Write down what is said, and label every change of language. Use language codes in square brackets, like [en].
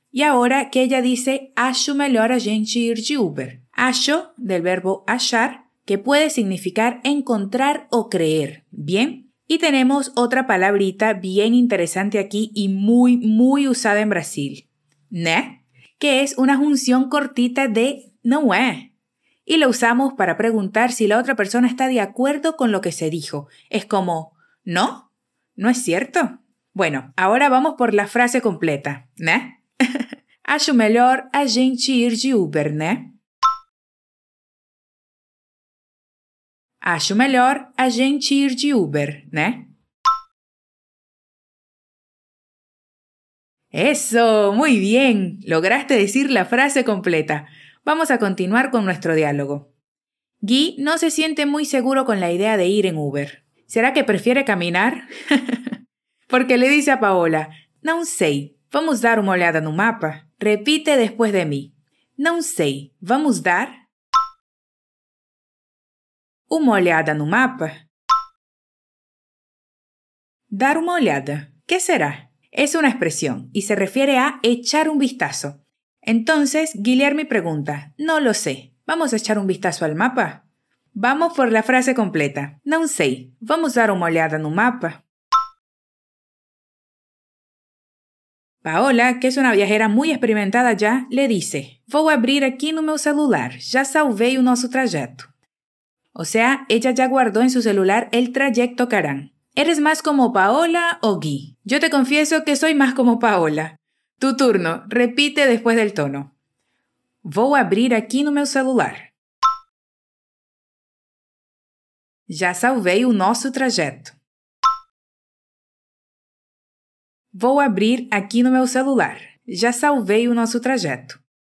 [es] Y ahora que ella dice, [pt] acho melhor a gente ir de Uber. [es] Acho, del verbo achar, que puede significar encontrar o creer. ¿Bien? Y tenemos otra palabrita bien interesante aquí y muy, muy usada en Brasil. [pt] Né? [es] Que es una junción cortita de [pt] não é. [es] Y lo usamos para preguntar si la otra persona está de acuerdo con lo que se dijo. Es como, ¿no? ¿No es cierto? Bueno, ahora vamos por la frase completa, né? [pt] Acho melhor a gente ir de Uber, né? Acho melhor a gente ir de Uber, né? [es] ¡Eso! ¡Muy bien! Lograste decir la frase completa. Vamos a continuar con nuestro diálogo. Guy no se siente muy seguro con la idea de ir en Uber. ¿Será que prefiere caminar? Porque le dice a Paola, [pt] «Não sei, vamos dar uma olhada no mapa». [es] Repite después de mí. [pt] «Não sei, vamos dar uma olhada no mapa». Dar uma olhada. [es] ¿Qué será? Es una expresión y se refiere a echar un vistazo. Entonces, Guilherme pregunta, «No lo sé, vamos a echar un vistazo al mapa». Vamos por la frase completa. [pt] «Não sei, vamos dar uma olhada no mapa». [es] Paola, que es una viajera muy experimentada ya, le dice, [pt] «Vou abrir aquí no meu celular, ya salvei o nosso trajeto». [es] O sea, ella ya guardó en su celular el trayecto que harán. ¿Eres más como Paola o Gui? Yo te confieso que soy más como Paola. Tu turno, repite después del tono. [pt] Vou abrir aqui no meu celular. Já salvei o nosso trajeto. Vou abrir aqui no meu celular. Já salvei o nosso trajeto.